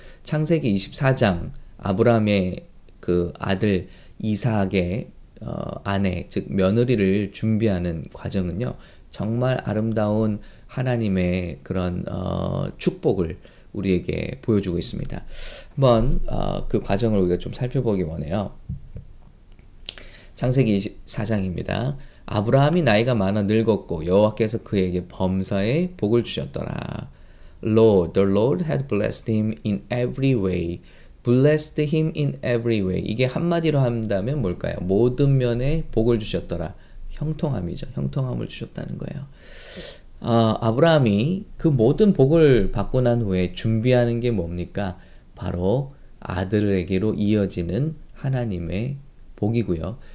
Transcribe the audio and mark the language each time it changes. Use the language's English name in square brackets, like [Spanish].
[Korean] 창세기 24장, 아브라함의 그 아들 이삭의 아내, 즉 며느리를 준비하는 과정은요, 정말 아름다운 하나님의 그런 축복을 우리에게 보여주고 있습니다. 한번 그 과정을 우리가 좀 살펴보기 원해요. 창세기 24장입니다. 아브라함이 나이가 많아 늙었고 여호와께서 그에게 범사에 복을 주셨더라. [English] The Lord had blessed him in every way. Blessed him in every way. [Korean] 이게 한마디로 한다면 뭘까요? 모든 면에 복을 주셨더라. 형통함이죠. 형통함을 주셨다는 거예요. 아브라함이 그 모든 복을 받고 난 후에 준비하는 게 뭡니까? 바로 아들에게로 이어지는 하나님의 복이고요.